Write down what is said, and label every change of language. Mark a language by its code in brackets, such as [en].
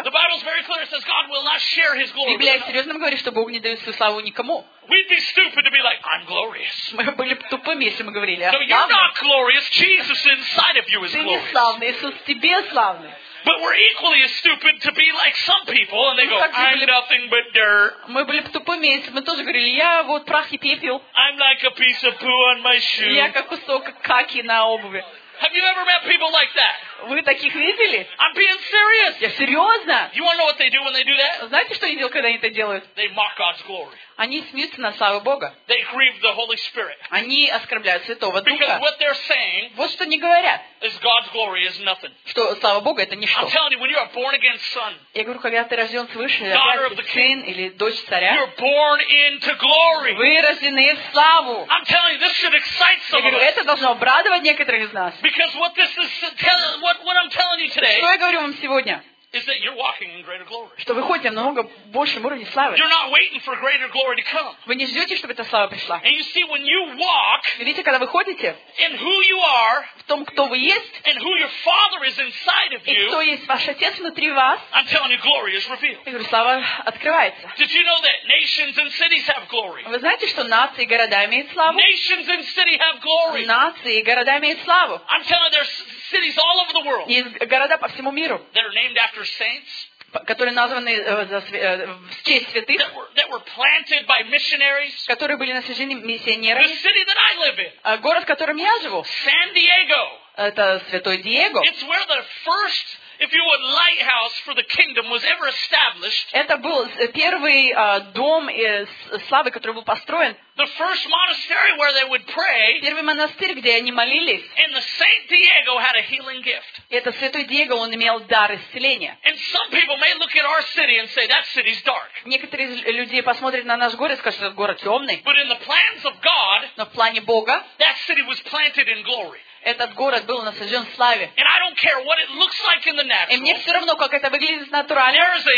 [en] The Bible's very clear, it says God will not share his glory. [ru] Библия серьезно говорит, что Бог не дает свою славу никому. [en] We'd be stupid to be like, I'm glorious. [ru] Мы были бы тупыми, если мы говорили, [en] No, you're not glorious. Jesus inside of you is glorious. [ru] Ты не славный, Иисус в тебе славный. [en] But we're equally as stupid to be like some people, and they go, I'm nothing but dirt. [ru] Мы были бы тупыми, если мы тоже говорили, я вот прах и пепел. [en] I'm like a piece of poo on my shoe. [ru] Я как кусок каки на обуви. [en] Have you ever met people like that? [ru] Вы таких видели? [en] I'm being serious. [ru] Я серьезно. [en] You want to know what they do when they do that? [ru] Знаете, что они делают, когда они это делают? [en] They mock God's glory. [ru] Они смеются над славой Бога. [en] They grieve the Holy Spirit. [ru] Они оскорбляют Святого [en] Духа. Because what they're saying, [ru] вот что они говорят. [en] Is God's glory is nothing. [ru] Что слава Бога это ничто. [en] I'm telling you, when you are born again, son. [ru] Я говорю, когда ты рожден свыше, [en] daughter of the king, [ru] или дочь царя. [en] You're born into glory. [ru] Вы рождены в славу. [en] I'm telling you, this should excite some of us. [ru] Я говорю, это должно обрадовать некоторых из нас. [en] Because what this is telling, what I'm telling you today. [ru] Что я говорю вам сегодня? [en] Is that you're walking in greater glory? [ru] Что вы ходите в намного большем уровне славы. [en] You're not waiting for greater glory to come. [ru] Вы не ждете, чтобы эта слава пришла. [en] And you see, when you walk, [ru] видите, когда вы ходите, [en] in who you are, [ru] в том, кто вы есть, [en] and who your Father is inside of you, [ru] и кто есть ваш отец внутри вас, [en] I'm telling you, glory is revealed. [ru] Я говорю, слава открывается. [en] Did you know that nations and cities have glory? [ru] Вы знаете, что нации и города имеют славу? [en] Nations and cities have glory. [ru] Нации и города имеют славу. [en] I'm telling you, there's cities all over the world. [ru] Есть города по всему миру. [en] That are named after saints. [ru] Которые названы в честь святых. [en] That were planted by missionaries. [ru] Которые были насажены миссионерами. [en] The city that I live in. [ru] Город, в котором я живу. [en] San Diego. [ru] Это Святой Диего. [en] It's where the first, if you would, lighthouse for the kingdom was ever established. [ru] Это был первый дом славы, который был построен. [en] The first monastery where they would pray. [ru] Первый монастырь, где они молились. [en] And the Saint Diego had a healing gift. [ru] Это Святой Диего, он имел дар исцеления. [en] And some people may look at our city and say that city's dark. [ru] Некоторые люди посмотрят на наш город и скажут, что город темный. [en] But in the plans of God. [ru] Но в плане Бога. [en] That city was planted in glory. [ru] Этот город был насажен в славе. [en] Like natural, [ru] и мне все равно, как это выглядит натурально.